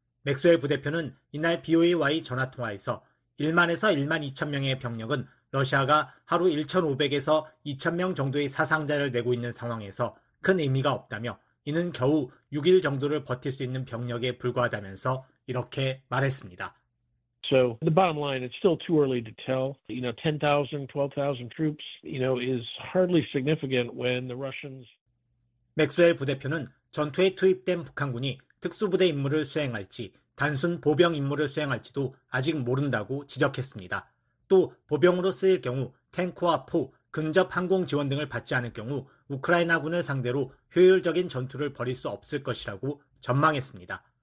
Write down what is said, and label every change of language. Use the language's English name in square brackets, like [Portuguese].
[Korean] 맥스웰 부대표는 이날 BOA와의 전화통화에서 1만에서 1만 2천 명의 병력은 러시아가 하루 1,500에서 2천 명 정도의 사상자를 내고 있는 상황에서 큰 의미가 없다며 이는 겨우 6일 정도를 버틸 수 있는 병력에 불과하다면서 이렇게 말했습니다. [English] So the bottom line, it's still too early to tell. You know, 10,000, 12,000 troops, you know, is hardly significant when the Russians. [Korean] 맥스웰 부대표는 전투에 투입된 북한군이 특수부대 임무를 수행할지 단순 보병 임무를 수행할지도 아직 모른다고 지적했습니다. 또 보병으로 쓰일 경우 탱크와 포, 근접 항공 지원 등을 받지 않을 경우 우크라이나군을 상대로 효율적인 전투를 벌일 수 없을 것이라고 전망했습니다.